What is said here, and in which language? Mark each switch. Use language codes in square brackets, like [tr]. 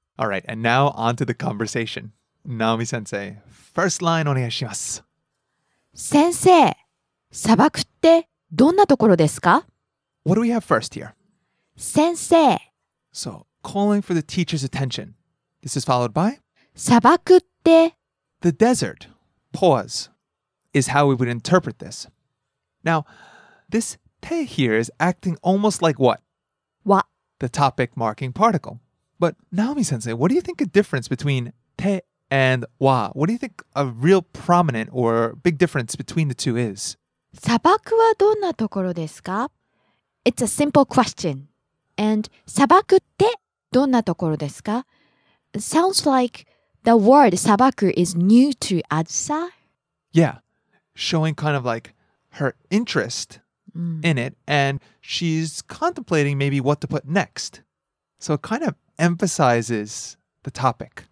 [en] All right, and now on to the conversation. Naomi sensei, first line [ja] お願いします。先生、砂漠ってどんなところですか? [en] What do we have first here? [ja] 先生。 [en] So, calling for the teacher's attention. This is followed by? [ja] 砂漠って [en] The desert, pause, is how we would interpret this. Now, this te here is acting almost like what? [ja] わ [en] The topic marking particle. But Naomi-sensei, what do you think a difference between te and wa? What do you think a real prominent or big difference between the two is? [ja] 砂漠はどんなところですか? [en] It's a simple question. [ja] And 砂漠ってどんなところですか? [en] Sounds like the word 砂漠 is new to Adsa. Yeah, showing kind of like her interest in it, and she's contemplating maybe what to put next. So it kind of emphasizes the topic.